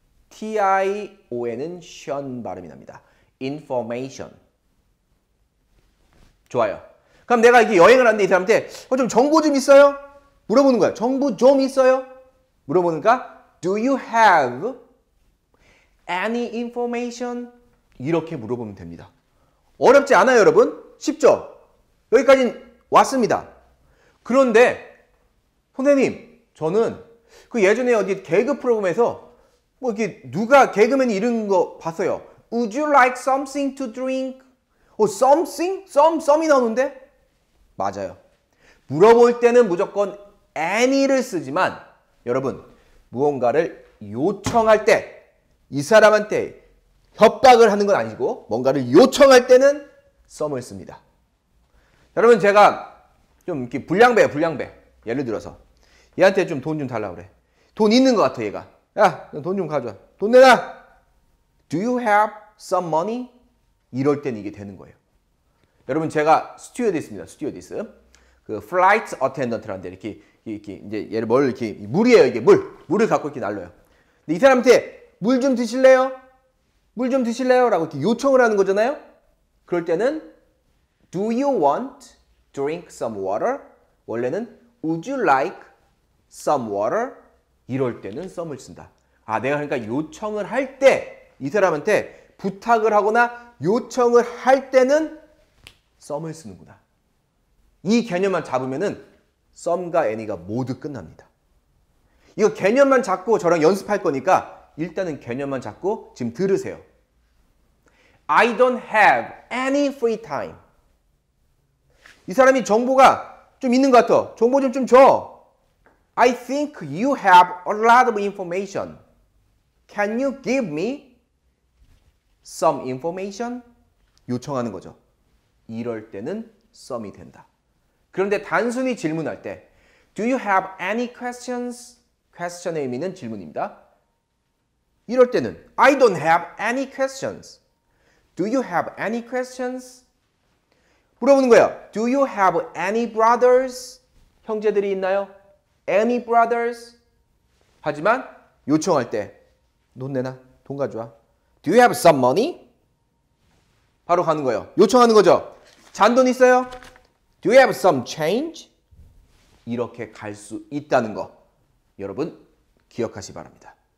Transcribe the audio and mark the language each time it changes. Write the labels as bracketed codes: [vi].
[ko] T-I-O-N은 션 발음이 납니다. [en] information. [ko] 좋아요. 그럼 내가 이렇게 여행을 하는데 이 사람한테 좀 정보 좀 있어요? 물어보는 거야. 정보 좀 있어요? 물어보는 거야. [en] Do you have any information? [ko] 이렇게 물어보면 됩니다. 어렵지 않아요 여러분? 쉽죠? 여기까지는 왔습니다. 그런데 선생님 저는 그 예전에 어디 개그 프로그램에서 뭐 이렇게 누가 개그맨이 이런 거 봤어요. [en] Would you like something to drink? [ko] Something? Some이 나오는데? 맞아요. 물어볼 때는 무조건 any를 쓰지만 여러분 무언가를 요청할 때 이 사람한테 협박을 하는 건 아니고 뭔가를 요청할 때는 some을 씁니다. 여러분 제가 좀 이렇게 불량배예요. 불량배. 예를 들어서 얘한테 좀 돈 좀 달라고 그래. 돈 있는 것 같아 얘가. 야 돈 좀 가져와. 돈 내놔. [en] Do you have some money? [ko] 이럴 때는 이게 되는 거예요. 여러분 제가 스튜어디스입니다. 스튜어디스. 그 플라이트 어텐던트라는 데 이렇게 이제 얘를 뭘 이렇게 물이에요. 이게 물. 물을 갖고 이렇게 날려요. 근데 이 사람한테 물 좀 드실래요? 물 좀 드실래요? 라고 이렇게 요청을 하는 거잖아요. 그럴 때는 [en] Do you want drink some water? [ko] 원래는 [en] Would you like some water? [ko] 이럴 때는 some을 쓴다. 아 내가 그러니까 요청을 할 때 이 사람한테 부탁을 하거나 요청을 할 때는 썸을 쓰는구나. 이 개념만 잡으면은 썸과 애니가 모두 끝납니다. 이거 개념만 잡고 저랑 연습할 거니까 일단은 개념만 잡고 지금 들으세요. [en] I don't have any free time. [ko] 이 사람이 정보가 좀 있는 것 같아. 정보 좀 줘. [en] I think you have a lot of information. Can you give me some information? [ko] 요청하는 거죠. 이럴 때는 some이 된다. 그런데 단순히 질문할 때 [en] Do you have any questions? [ko] question의 의미는 질문입니다. 이럴 때는 [en] I don't have any questions. Do you have any questions? [ko] 물어보는 거예요. [en] Do you have any brothers? [ko] 형제들이 있나요? [en] Any brothers? [ko] 하지만 요청할 때 돈 내놔. 돈 가져와. [en] Do you have some money? [ko] 바로 가는 거예요. 요청하는 거죠. 잔돈 있어요? [en] Do you have some change? [ko] 이렇게 갈 수 있다는 거 여러분 기억하시기 바랍니다.